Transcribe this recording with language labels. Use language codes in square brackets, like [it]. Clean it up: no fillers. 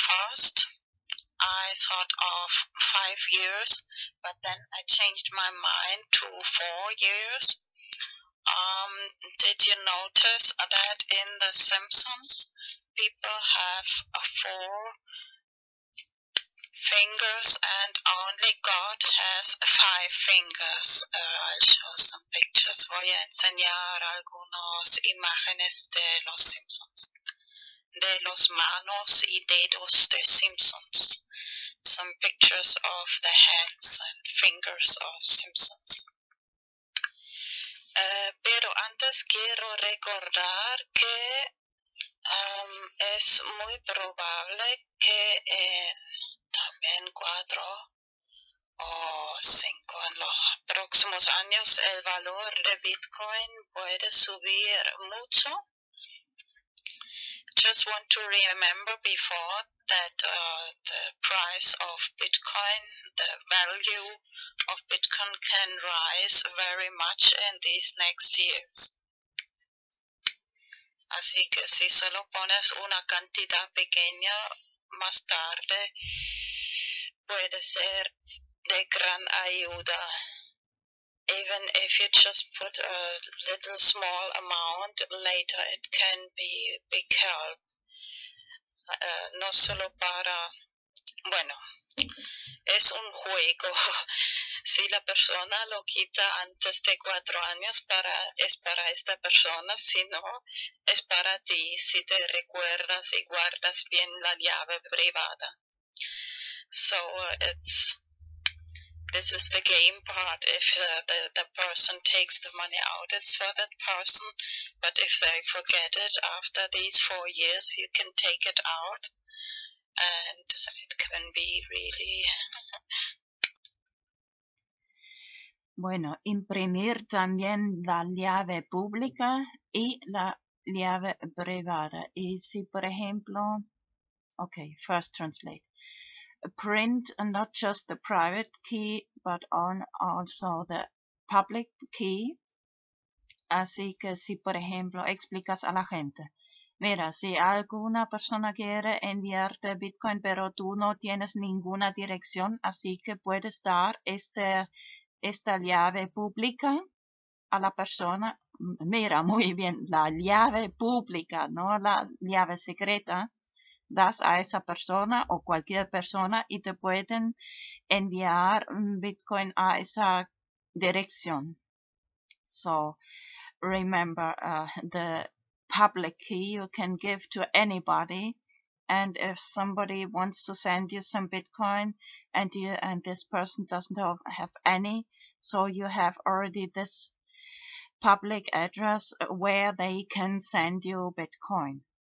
[en] First, I thought of 5 years, but then I changed my mind to 4 years. Did you notice that in The Simpsons, people have 4 fingers and only God has 5 fingers? I'll show some pictures. [es] Voy a enseñar algunas imágenes de Los Simpsons. De los manos y dedos de Simpsons. [en] Some pictures of the hands and fingers of Simpsons. [es] Pero antes quiero recordar que es muy probable que en también 4 o 5 en los próximos años el valor de Bitcoin puede subir mucho. [en] Just want to remember before that the price of Bitcoin, the value of Bitcoin can rise very much in these next years. [es] Así que si solo pones una cantidad pequeña, más tarde puede ser de gran ayuda. [en] Even if you just put a little small amount, later it can be big help. [es] No solo para... Bueno, es un juego. Si la persona lo quita antes de 4 años, es para esta persona. Si no, es para ti, si te recuerdas y guardas bien la llave privada. [en] So, this is the game part. If the person takes the money out, it's for that person. But if they forget it after these 4 years, you can take it out. And it can be really... [es] Bueno, imprimir también la llave pública y la llave privada. Y si, por ejemplo... [en] Okay, first translate. Print not just the private key, but also the public key. [es] Así que si, por ejemplo, explicas a la gente. Mira, si alguna persona quiere enviarte Bitcoin, pero tú no tienes ninguna dirección, así que puedes dar esta llave pública a la persona. Mira, muy bien, la llave pública, no la llave secreta. Das a esa persona o cualquier persona y te pueden enviar Bitcoin a esa dirección. [en] So, remember, the public key you can give to anybody. And if somebody wants to send you some Bitcoin and this person doesn't have any, so you have already this public address where they can send you Bitcoin.